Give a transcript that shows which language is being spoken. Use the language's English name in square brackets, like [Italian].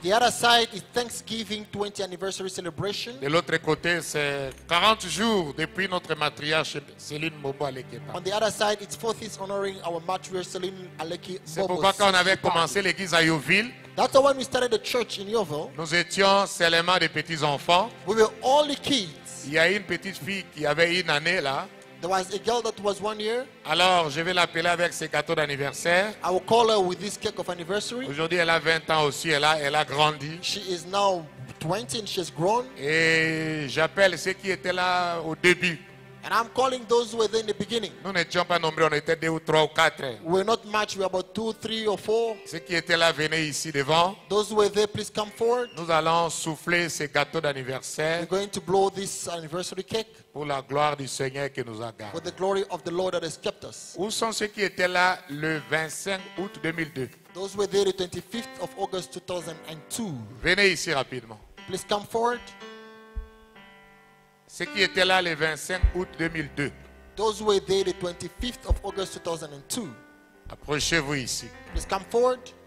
[English] The other side is Thanksgiving 20th anniversary celebration. [French] Et l'autre côté, c'est 40 jours depuis notre matriarche Céline Mbombo Aleke. [English] On the other side, it's 40th honoring our matriarch Céline Aleke. [French] C'est pourquoi quand on avait commencé l'église à Yeovil. [English] That's why when we started the church in Yeovil. [French] Nous étions seulement des petits enfants. [English] We were only kids. [French] Il y a une petite fille qui avait une année là. [English] There was a girl that was 1 year. [French] Alors, je vais l'appeler avec ses gâteaux d'anniversaire. [English] I will call her with this cake of anniversary. [French] Aujourd'hui, elle a 20 ans aussi. Elle a grandi. [English] She is now 20 and she's grown. [French] Et j'appelle ceux qui étaient là au début. [English] And I'm calling those who were there in the beginning. [French] Nous n'étions pas nombreux. On était deux ou trois ou quatre. [English] We're not much. We're about 2, 3, or 4. [French] Ceux qui étaient là, venez ici devant. [English] Those who were there, please come forward. [French] Nous allons souffler ces gâteaux d'anniversaire. [English] We're going to blow this anniversary cake. [French] Pour la gloire du Seigneur qui nous a gardés. [English] For the glory of the Lord that has kept us. [French] Où sont ceux qui étaient là le 25 août 2002? [English] Those who were there the 25th of August 2002. [French] Venez ici rapidement. [English] Please come forward. [French] Ceux qui étaient là le 25 août 2002. [English] Those were there the 25th of August 2002. [French] Approchez-vous ici. [English] Please come forward.